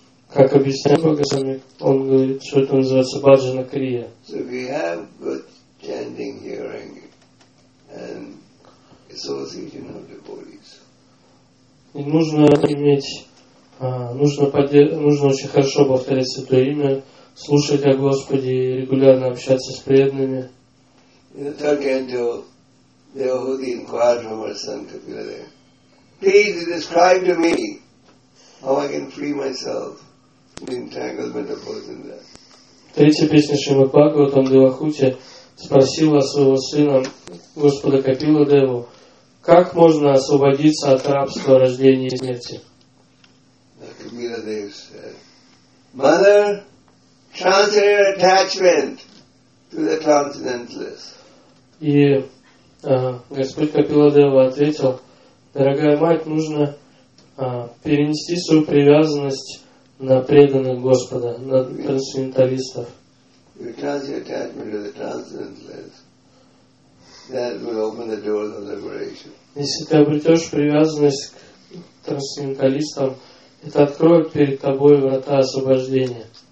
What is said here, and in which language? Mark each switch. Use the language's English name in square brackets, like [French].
[Russian] Как объясняет Бхагавад-гита, он говорит, что это называется баджана крия. [English] So we have good chanting, hearing, and association of devotees. [Russian] И нужно иметь, нужно очень хорошо повторять святое имя, слушать о Господе и регулярно общаться с преданными. [English] In the third canto, Devahuti inquired from her son Kapila Dev, please describe to me how I can free myself from the entanglement of birth and death. [Russian] Третья песня Шримад Бхагаватам Девахути спросила своего сына Господа Капила Деву, как можно освободиться от рабства рождения и смерти. [English] Kapila Dev said, Mother, transfer your attachment to the transcendentalist. [Russian] И Господь Капила Дева ответил, дорогая мать, нужно перенести свою привязанность на преданных Господа, на трансценденталистов. Если ты обретешь привязанность к трансценденталистам, это откроет перед тобой врата освобождения.